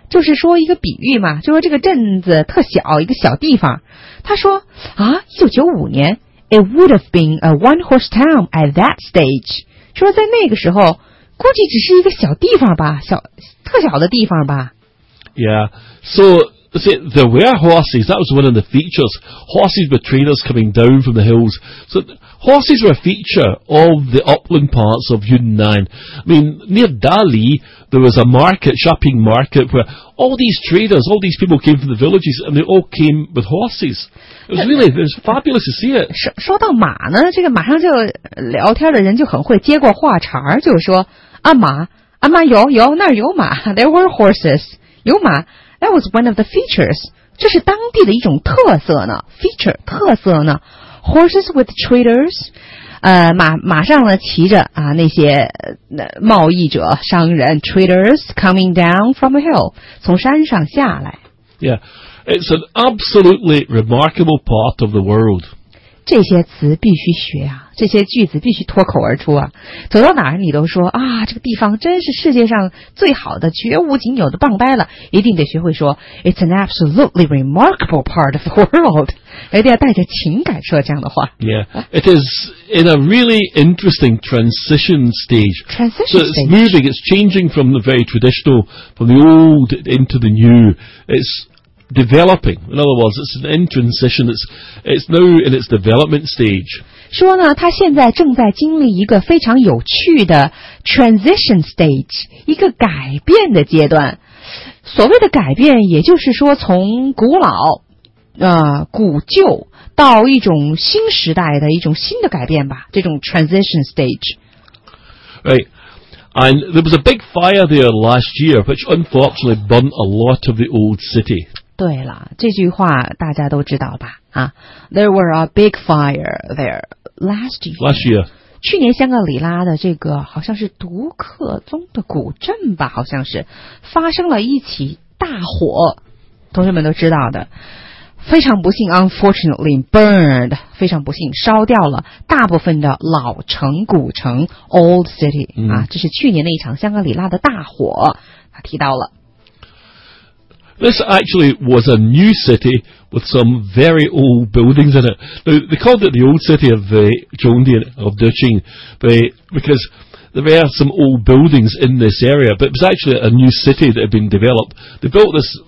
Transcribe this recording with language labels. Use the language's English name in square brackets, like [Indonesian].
[Chinese] 就是说一个比喻嘛，就说这个镇子特小，一个小地方。他说啊 [English] ,1995 年 ,it would have been a one-horse town at that stage. [Chinese] 说在那个时候估计只是一个小地方吧，小特小的地方吧。 [English] Yeah, so see, there were horses. That was one of the features. Horses with trainers coming down from the hills. So horses were a feature of the upland parts of Yunnan. I mean, near Dali, there was a market, shopping market, where all these traders, all these people came from the villages, and they all came with horses. It was fabulous to see it. [Chinese] 说到马呢，这个马上就聊天的人就很会接过话茬，就说啊马，啊马有有那儿有马。 [English] There were horses. [Chinese] 有马。 [English] That was one of the features. [Chinese] 这是当地的一种特色呢。 [English] Feature, [Chinese] 特色呢。 [English] Horses with traders. [Chinese] 马上呢骑着啊那些贸易者商人 [English] traders coming down from a hill. [Chinese] 从山上下来。 [English] Yeah, it's an absolutely remarkable part of the world. [Chinese] 这些词必须学啊，这些句子必须脱口而出啊。走到哪儿你都说啊，这个地方真是世界上最好的，绝无仅有的，棒呆了。一定得学会说 [English] It's an absolutely remarkable part of the world. [Chinese] 一定要带着情感说这样的话。 [English] Yeah, it is in a really interesting transition stage. Transition stage. So it's moving, it's changing from the very traditional, from the old into the new. It'sDeveloping. In other words, it's an in transition. It's now in its development stage. [Chinese] 说呢，它现在正在经历一个非常有趣的 transition stage, 一个改变的阶段。所谓的改变，也就是说从古老、古旧到一种新时代的一种新的改变吧，这种 transition stage. [English] Right. And there was a big fire there last year, which unfortunately burnt a lot of the old city. [Chinese] 对了，这句话大家都知道吧？ [English] 啊 ，There were a big fire there last year. Last year. [Chinese] 去年香格里拉的这个好像是独克宗的古镇吧，好像是发生了一起大火，同学们都知道的。非常不幸 ， [English] unfortunately burned， [Chinese] 非常不幸，烧掉了大部分的老城古城 ，old city、嗯、啊，这是去年的一场香格里拉的大火，他提到了。 [English] This actually was a new city with some very old buildings in it. Now, they called it the old city of the Zhongdian of Duching, because there were some old buildings in this area, but it was actually a new city that had been developed. They built this.